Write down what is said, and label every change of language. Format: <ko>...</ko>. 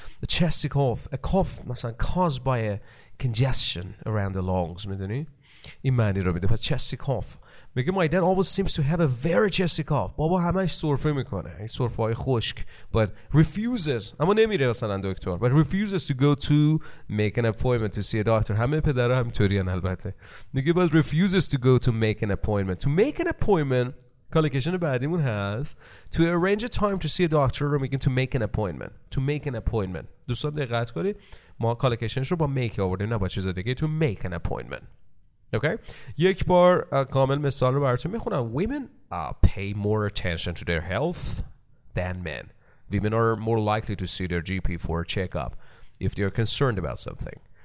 <en>Chesty cough، a cough مثلا caused by a congestion around the lungs.</en> <fa>میدونی این معنی رو میده. پس chesty cough. میگه</fa> <en>my dad always seems to have a very chesty cough.</en> <fa>بابا همش سرفه میکنه، این سرفه های خشک.</fa> <en>But refuses،</en> <fa>اما نمیره مثلا دکتر.</fa> <en>But refuses to go to make an appointment to see a doctor.</en> <fa>همه پدر هم طوری هن البته. میگه</fa> <en>but refuses to go to make an appointment. To make an appointment،</en> <fa>کالکشن بعدیمون هست</fa> <en>to arrange a time to see a doctor،</en> <fa>رو میگیم</fa> <en>to make an appointment.</en> <fa>دوستان دقت کنید، ما کالکشنش رو با make آوردیم نه با چیز دیگه.</fa> <en>To make an appointment. Okay.</en> <fa>یک بار کامل مثال رو براتون میخونم.</fa> <en>Women pay more attention to their health than men. Women are more likely to see their GP for a checkup if they are concerned about something.</en>